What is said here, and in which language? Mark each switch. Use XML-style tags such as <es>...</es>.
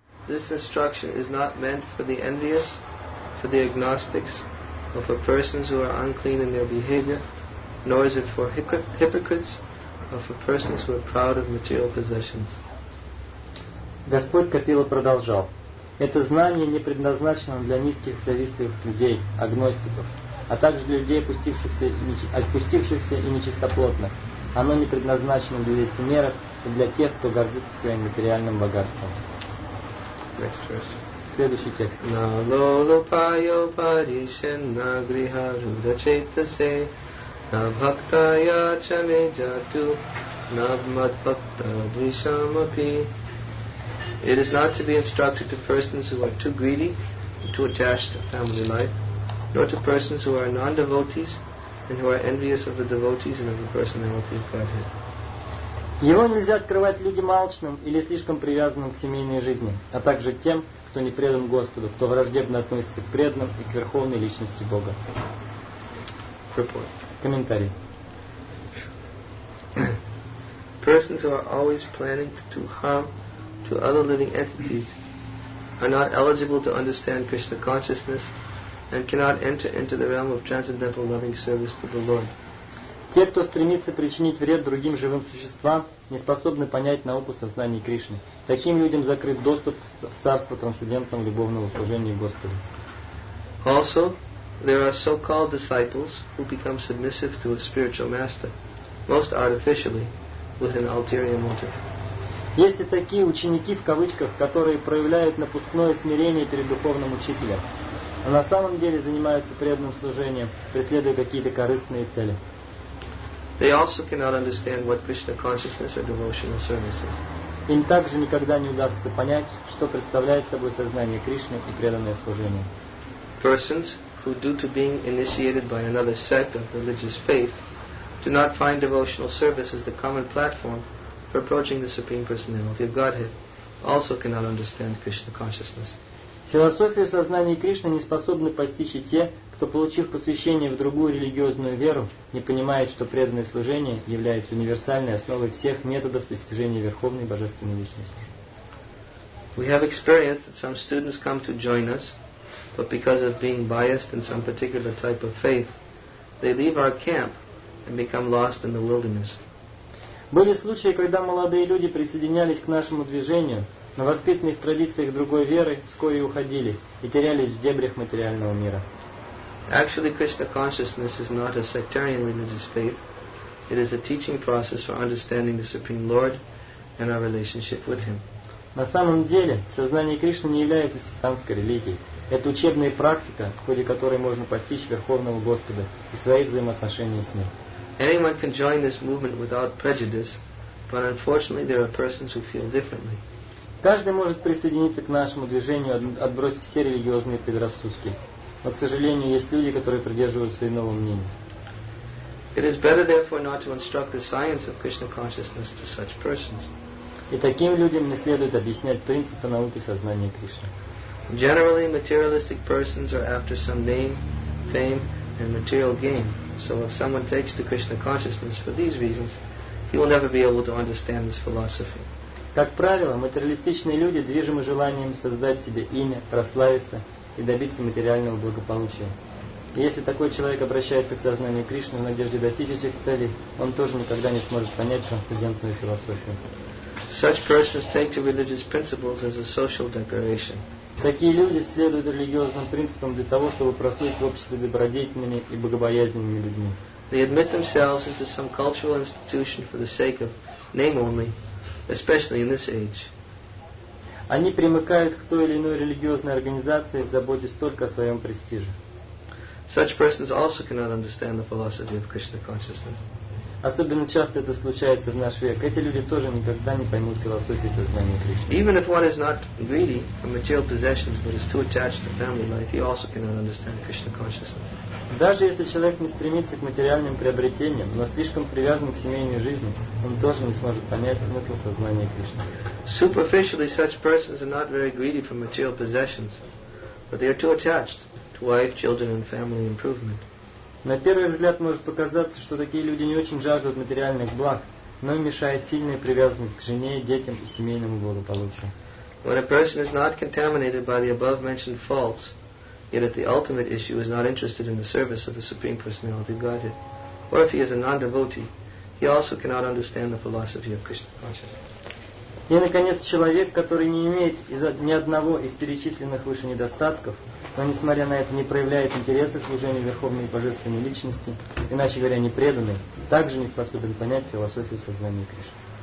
<en>this instruction is not meant for the envious, for the agnostics, or for persons who are unclean in their behavior, nor is it for hypocrites, or for persons who are proud of material possessions.</en> <ru>Господь Капила продолжал. Это знание не предназначено для низких завистливых людей, агностиков, а также для людей, опустившихся и нечистоплотных. Оно не предназначено для лицемеров и для тех, кто гордится своим материальным богатством.</ru> <en>Next verse.</en> <ru>Следующий текст.</ru> <sa>На лолупайо паришен на гриха рудачейтасе на бхактая чамеджату на бмадбхакта дришамапи.</sa> <en>It is not to be instructed to persons who are too greedy and too attached to family life, nor to persons who are non-devotees and who are envious of the devotees and of the personality of Godhead.</en> <ru>Его нельзя открывать людям алчным или слишком привязанным к семейной жизни, а также тем, кто не предан Господу, кто враждебно относится к преданным и к верховной личности Бога.</ru> <en>Report.</en> <ru>Комментарий.</ru> <en>Persons who are always planning to do harm to other living entities are not eligible to understand Krishna consciousness and cannot enter into the realm of transcendental loving service to the Lord.</en> <ru>Те, кто стремится причинить вред другим живым существам, не способны понять науку сознания Кришны. Таким людям закрыт доступ в царство трансцендентного любовного служения Господу.</ru> <en>Also, there are so-called disciples who become submissive to a spiritual master, most artificially, with an ulterior motive.</en> <ru>Есть и такие ученики, в кавычках, которые проявляют напускное смирение перед духовным учителем, а на самом деле занимаются преданным служением, преследуя какие-то корыстные цели.</ru> <en>They also cannot understand what Krishna consciousness or devotional service is.</en> <ru>Им также никогда не удастся понять, что представляет собой сознание Кришны и преданное служение.</ru> <en>Persons who, due to being initiated by another sect of religious faith, do not find devotional service as the common platform for approaching the Supreme Personality of Godhead, also cannot understand Krishna consciousness.</en> <ru>Философию сознания Кришны не способны постичь и те, кто, получив посвящение в другую религиозную веру, не понимает, что преданное служение является универсальной основой всех методов достижения Верховной Божественной Личности.</ru> <en>We have experienced that some students come to join us, but because of being biased in some particular type of faith, they leave our camp and become lost in the wilderness.</en> <ru>Были случаи, когда молодые люди присоединялись к нашему движению, но воспитанные в традициях другой веры вскоре уходили и терялись в дебрях материального мира.</ru> <en>Actually, Krishna consciousness is not a sectarian religious faith. It is a teaching process for understanding the Supreme Lord and our relationship with Him.</en> <ru>На самом деле, сознание Кришны не является сектантской религией. Это учебная практика, в ходе которой можно постичь Верховного Господа и свои взаимоотношения с Ним.</ru> <en>Anyone can join this movement without prejudice, but unfortunately there are persons who feel differently.</en> <ru>Каждый может присоединиться к нашему движению, отбросив все религиозные предрассудки. Но, к сожалению, есть люди, которые придерживаются иного мнения.</ru> <en>It is better therefore not to instruct the science of Krishna consciousness to such persons.</en> <ru>И таким людям не следует объяснять принципы науки сознания Кришны.</ru> <en>Generally, materialistic persons are after some name, fame, and material gain. So if someone takes to Krishna consciousness for these reasons, he will never be able to understand this philosophy.</en> <ru>Как правило, материалистичные люди движимы желанием создать себе имя, прославиться и добиться материального благополучия. И если такой человек обращается к сознанию Кришны в надежде достичь этих целей, он тоже никогда не сможет понять трансцендентную философию.</ru> <en>Such persons take to religious principles as a social decoration.</en> <ru>Такие люди следуют религиозным принципам для того, чтобы прослыть в обществе добродетельными и богобоязненными людьми.</ru> <en>They admit themselves into some cultural institution for the sake of name only, especially in this age.</en> <ru>Они примыкают к той или иной религиозной организации, заботясь только о своем престиже.</ru> <en>Such persons also cannot understand the philosophy of Krishna consciousness.</en> <ru>Особенно часто это случается в наш век. Эти люди тоже никогда не поймут философии сознания Кришны.</ru> <en>Even if one is not greedy for material possessions, but is too attached to family life, he also cannot understand Krishna consciousness.</en> <ru>Даже если человек не стремится к материальным приобретениям, но слишком привязан к семейной жизни, он тоже не сможет понять смысл сознания Кришны.</ru> <en>Superficially, such persons are not very greedy for material possessions, but they are too attached to wife, children, and family improvement.</en> <ru>На первый взгляд может показаться, что такие люди не очень жаждут материальных благ, но им мешает сильная привязанность к жене, детям и семейному благополучию.</ru> <en>When a person is not contaminated by the above-mentioned faults, yet at the ultimate issue is not interested in the service of the Supreme Personality of Godhead, or if he is a non-devotee, he also cannot understand the philosophy of Krishna consciousness.</en> <ru>И, наконец, человек, который не имеет ни одного из перечисленных выше недостатков, но, несмотря на это, не проявляет интереса к служению Верховной Божественной Личности, иначе говоря, не преданный, также не способен понять философию сознания Кришны.</ru>